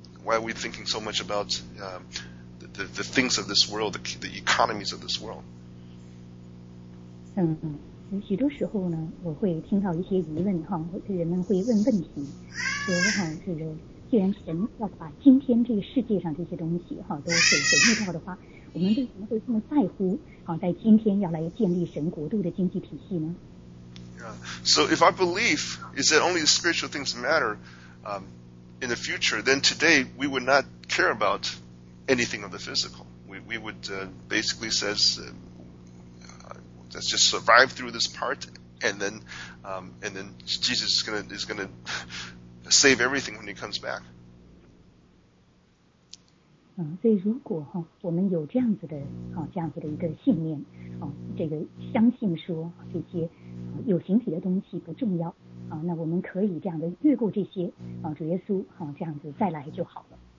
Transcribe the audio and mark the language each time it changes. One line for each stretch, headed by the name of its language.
English: Why are we thinking so much about the things of this world, the economies of this world?
Chinese: 许多时候呢，我会听到一些疑问人们会问问题，说是既然神要把今天这个世界上这些东西都毁灭掉的话，我们为什么会这么在乎在今天要来建立神国度的经济体系呢？
English: So if our belief is that only the spiritual things matter in the future, then today we would not care about anything of the physical. We would basically says let's just survive through this part, and then Jesus is gonna save everything when he comes back.
Chinese: 所以如果我们有这样子的这样子的一个信念这个相信说这些有形体的东西不重要那我们可以这样的越过这些主耶稣这样子再来就好了。